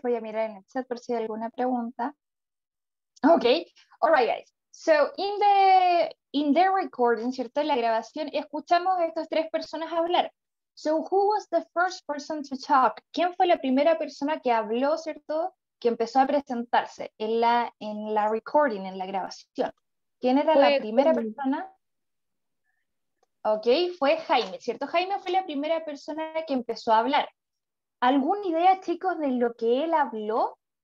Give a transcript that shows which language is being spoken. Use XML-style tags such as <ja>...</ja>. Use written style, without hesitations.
<es>Voy a mirar en el chat por si hay alguna pregunta.</es> <en>Okay, all right, guys. So in the recording,</en> <es>¿cierto? La grabación, escuchamos a estas tres personas hablar.</es> <en>So who was the first person to talk?</en> <es>¿Quién fue la primera persona que habló, cierto? Que empezó a presentarse en la recording, en la grabación. ¿Quién era la primera persona? Ok, fue Jaime, ¿cierto? Jaime fue la primera persona que empezó a hablar. ¿Alguna idea, chicos, de lo que él habló?</es>